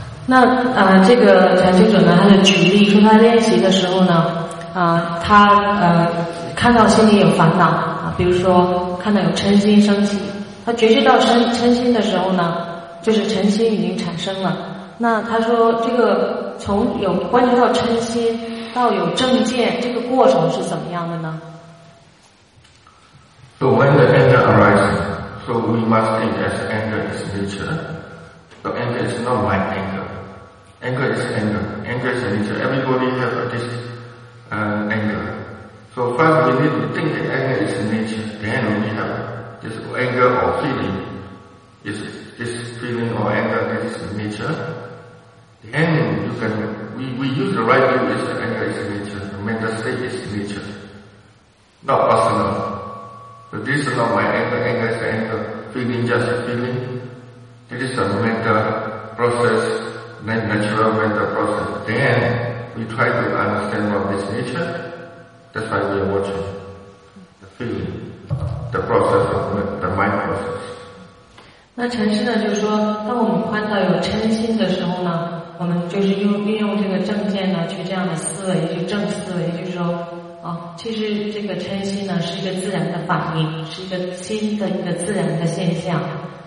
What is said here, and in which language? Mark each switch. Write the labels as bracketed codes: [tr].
[zh] 那这个禅修者呢，他的举例说，他练习的时候呢，他看到心里有烦恼啊，比如说看到有嗔心升起，他觉知到嗔心的时候呢，就是嗔心已经产生了。那他说，这个从有观察到嗔心到有正见，这个过程是怎么样的呢 [en] ？So when the anger arises, so we must think that anger is nature. So anger is not my anger. Anger is anger. Anger is nature. Everybody have this anger. So first we need to think that anger is nature. Then we have this anger or feeling. This feeling or anger that is nature. Then you can, we use the right view is anger is nature. The mental state is nature. Not personal. So this is not my anger. Anger is the anger. Feeling just a feeling. It is a mental process, natural mental process. Then we try to understand what this nature. That's why we are watching the feeling, the process of the mind process. [zh] 那禅师呢，就是说，当我们看到有嗔心的时候呢，我们就是运用这个正见呢，去这样的思维，就正思维，就是说，其实这个嗔心呢，是一个自然的反应，是一个心的一个自然的现象。